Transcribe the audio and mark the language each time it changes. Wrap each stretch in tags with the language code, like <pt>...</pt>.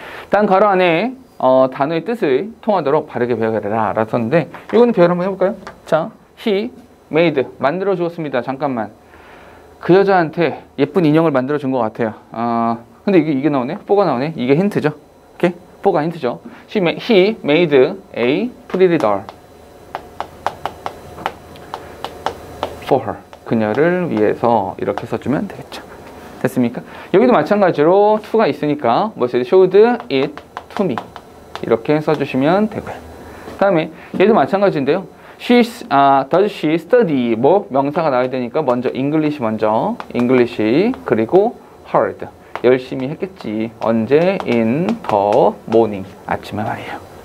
<ko>다음 괄호 안에 단어의 뜻을 통하도록 바르게 배워라. 알았었는데 이거는 배열 한번 해볼까요? 자,</ko> <en>he made.</en> <ko>만들어 주었습니다. 잠깐만. 그 여자한테 예쁜 인형을 만들어 준 것 같아요. 근데 이게 나오네? 뽀가 나오네? 이게 힌트죠? 오케이? 뽀가 힌트죠?</ko> <en>He made a pretty doll for her.</en> <ko>그녀를 위해서 이렇게 써주면 되겠죠. 됐습니까? 여기도 마찬가지로 to가 있으니까 뭐</ko> <en>showed it to me</en> <ko>이렇게 써주시면 되고요. 다음에 얘도 마찬가지인데요.</ko> <en>Does she study?</en> <ko>뭐 명사가 나와야 되니까 먼저 English 먼저 English 그리고 hard 열심히 했겠지. 언제?</ko> <en>In the morning</en> <ko>아침에 말이에요.</ko>